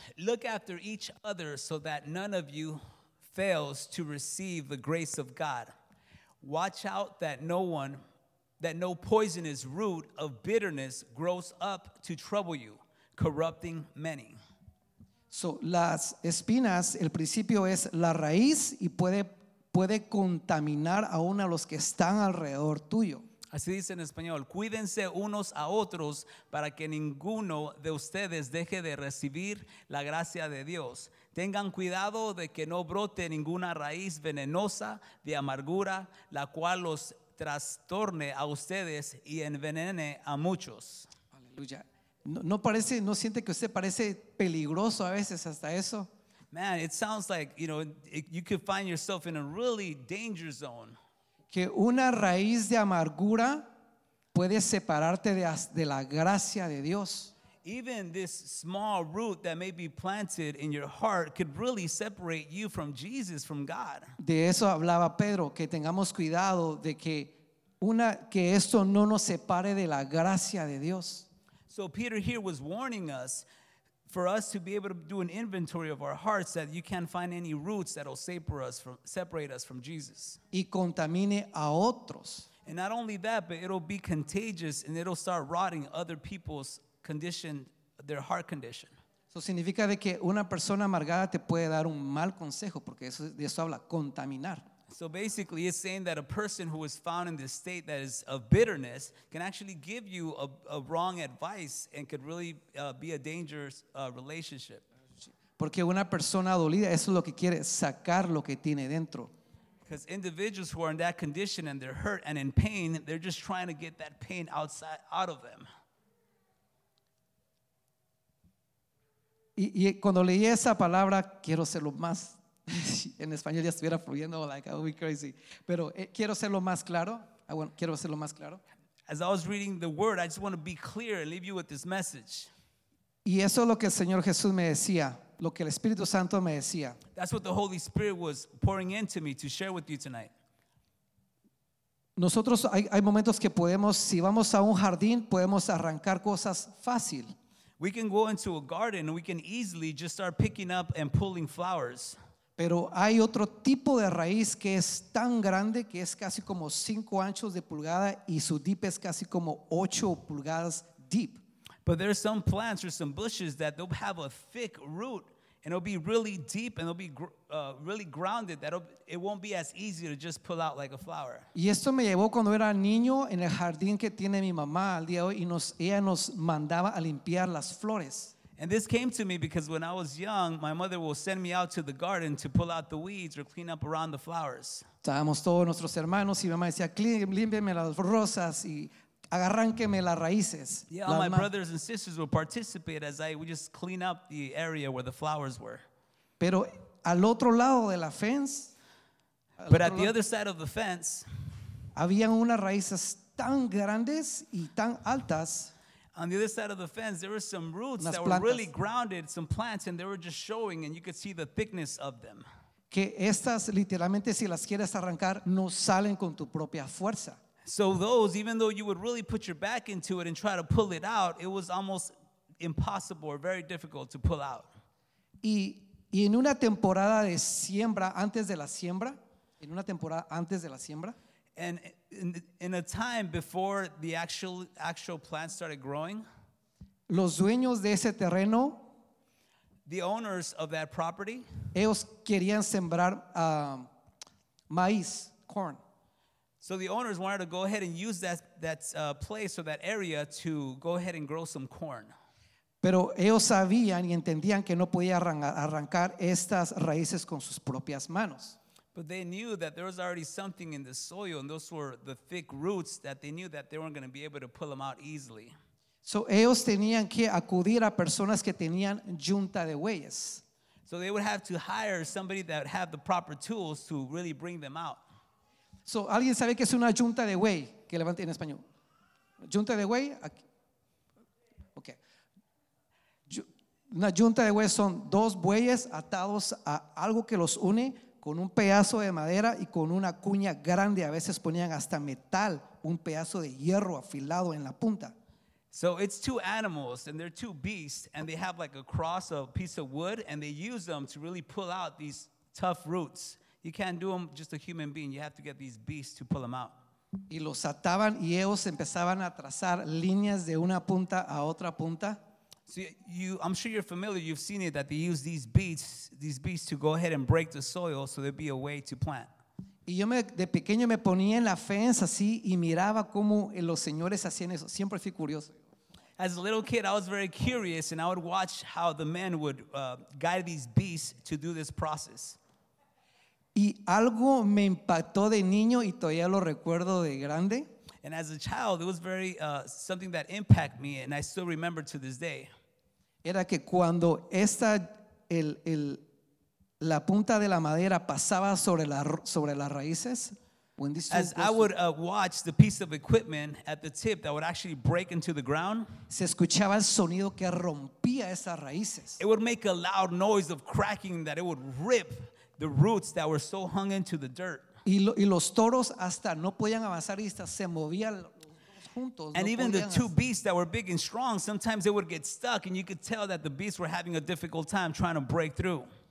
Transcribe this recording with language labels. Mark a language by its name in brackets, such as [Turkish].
[English] Look after each other so that none of you fails to receive the grace of God. Watch out that no poisonous root of bitterness grows up to trouble you, corrupting many. [Spanish] So las espinas, el principio es la raíz y puede contaminar aún a los que están alrededor tuyo. Así dice en español, cuídense unos a otros para que ninguno de ustedes deje de recibir la gracia de Dios. Tengan cuidado de que no brote ninguna raíz venenosa de amargura, la cual los trastorne a ustedes y envenene a muchos. Aleluya. No parece, no siente que usted parece peligroso a veces hasta eso. [English] Man, it sounds like, you know, you could find yourself in a really danger zone. [Spanish] Que una raíz de amargura puede separarte de la gracia de Dios. [English] Even this small root that may be planted in your heart could really separate you from Jesus, from God. [Spanish] De eso hablaba Pedro, que tengamos cuidado de que esto no nos separe de la gracia de Dios. [English] So Peter here was warning us for us to be able to do an inventory of our hearts that you can't find any roots that will separate us from Jesus. [Spanish] Y contamine a otros. [English] And not only that, but it'll be contagious and it'll start rotting other people's condition, their heart condition. [Spanish] So significa de que una persona amargada te puede dar un mal consejo porque eso, de eso habla, contaminar. [English] So basically it's saying that a person who is found in this state that is of bitterness can actually give you a wrong advice and could really be a dangerous relationship. [Spanish] Porque una persona dolida, eso es lo que quiere, sacar lo que tiene dentro. [English] Because individuals who are in that condition and they're hurt and in pain, they're just trying to get that pain outside, out of them. [Spanish] Y cuando leí esa palabra, quiero ser lo más, en español ya estuviera fluyendo, [English] like, I would be crazy. [Spanish] Pero quiero ser lo más claro. Quiero ser lo más claro. [English] As I was reading the word, I just want to be clear and leave you with this message. [Spanish] Y eso es lo que el Señor Jesús me decía, lo que el Espíritu Santo me decía. [English] That's what the Holy Spirit was pouring into me to share with you tonight. [Spanish] Nosotros hay momentos que podemos, si vamos a un jardín, podemos arrancar cosas fácil. [English] We can go into a garden and we can easily just start picking up and pulling flowers. [Spanish] Pero hay otro tipo de raíz que es tan grande que es casi como 5 anchos de pulgada y su deep es casi como 8 pulgadas deep. [English] But there are some plants or some bushes that they'll have a thick root and it'll be really deep and it'll be really grounded that it won't be as easy to just pull out like a flower. [Spanish] Y esto me llevó cuando era niño en el jardín que tiene mi mamá al día de hoy y ella nos mandaba a limpiar las flores. [English] And this came to me because when I was young, my mother will send me out to the garden to pull out the weeds or clean up around the flowers. [Spanish] Estábamos todos nuestros hermanos y mamá decía, límpienme las rosas y agarránqueme las raíces. [English] Yeah, all my brothers and sisters will participate as I would just clean up the area where the flowers were. [Spanish] Pero al otro lado de la fence, [English] but at the other side of the fence, [Spanish] había unas raíces tan grandes y tan altas. [English] On the other side of the fence, there were some roots that were really grounded, some plants, and they were just showing, and you could see the thickness of them. [Spanish] Que estas, literalmente, si las quieres arrancar, no salen con tu propia fuerza. [English] So those, even though you would really put your back into it and try to pull it out, it was almost impossible or very difficult to pull out. [Spanish] Y en una temporada de siembra, antes de la siembra, en una temporada antes de la siembra, [English] and in a time before the actual plants started growing, [Spanish] los dueños de ese terreno, [English] the owners of that property, [Spanish] ellos querían sembrar maíz, corn. [English] So the owners wanted to go ahead and use that place or that area to go ahead and grow some corn. [Spanish] Pero ellos sabían y entendían que no podía arrancar estas raíces con sus propias manos. [English] But they knew that there was already something in the soil, and those were the thick roots that they knew that they weren't going to be able to pull them out easily. [Spanish] So ellos tenían que acudir a personas que tenían yunta de bueyes. [English] So they would have to hire somebody that had the proper tools to really bring them out. [Spanish] So alguien sabe que es una yunta de buey, que levante en español. Yunta de buey. Okay. Una yunta de buey son dos bueyes atados a algo que los une con un pedazo de madera y con una cuña grande, a veces ponían hasta metal, un pedazo de hierro afilado en la punta. [English] So it's two animals and they're two beasts and they have like a cross of a piece of wood and they use them to really pull out these tough roots. You can't do them just a human being, you have to get these beasts to pull them out. [Spanish] Y los ataban y ellos empezaban a trazar líneas de una punta a otra punta. [English] So I'm sure you're familiar, you've seen it, that they use these beasts to go ahead and break the soil so there'd be a way to plant. [Spanish] Y yo de pequeño me ponía en la fence así y miraba cómo los señores hacían eso. Siempre fui curioso. [English] As a little kid, I was very curious, and I would watch how the men would guide these beasts to do this process. [Spanish] Y algo me impactó de niño y todavía lo recuerdo de grande. [English] And as a child, it was very something that impacted me, and I still remember to this day. [Spanish] Era que cuando esta la punta de la madera pasaba sobre las raíces, [English] when this as I would watch the piece of equipment at the tip that would actually break into the ground, [Spanish] se escuchaba el sonido que rompía esas raíces. [English] It would make a loud noise of cracking that it would rip the roots that were so hung into the dirt. [Spanish] Y los toros hasta no podían avanzar y hasta se movían juntos. [English] And no even the two beasts that were big and strong, sometimes they would get stuck and you could tell that the beasts were having a difficult time trying to break through.